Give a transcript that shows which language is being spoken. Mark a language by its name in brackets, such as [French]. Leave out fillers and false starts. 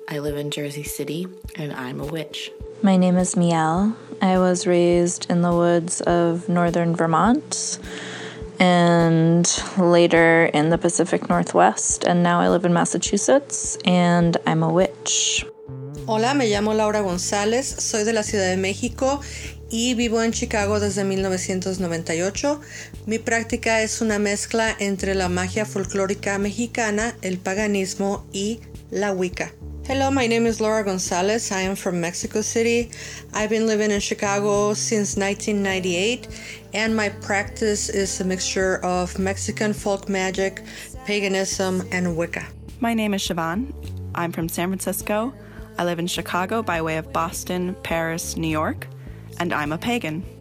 [English] I live in Jersey City, and I'm a witch. My name is Miel. I was raised in the woods of northern Vermont and later in the Pacific Northwest, and now I live in Massachusetts, and I'm a witch. [Spanish] Hola, me llamo Laura González. Soy de la Ciudad de México y vivo en Chicago desde 1998. Mi práctica es una mezcla entre la magia folclórica mexicana, el paganismo y la Wicca. [English] Hello, my name is Laura González. I am from Mexico City. I've been living in Chicago since 1998, and my practice is a mixture of Mexican folk magic, paganism, and Wicca. My name is Siobhan. I'm from San Francisco. I live in Chicago by way of Boston, Paris, New York. And I'm a pagan.